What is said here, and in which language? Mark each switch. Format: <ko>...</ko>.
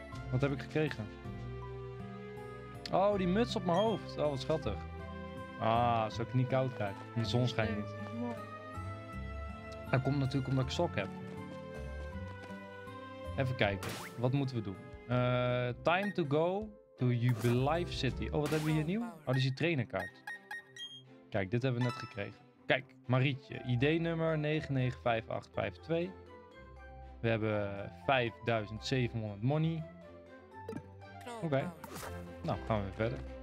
<nl>Wat heb ik gekregen? Oh, die muts op mijn hoofd. Oh, wat schattig. Ah, zou ik niet koud krijgen. De zon schijnt niet. Dat komt natuurlijk omdat ik sok heb. Even kijken, wat moeten we doen?</nl> <en>Time to go to Jubilife City.</en> <nl>Oh, wat hebben we hier nieuw? Oh, dat is die trainerkaart. Kijk, dit hebben we net gekregen. Kijk, Marietje, ID nummer 995852. We hebben 5700 money. Oké, okay. Nou, gaan we weer verder.</nl>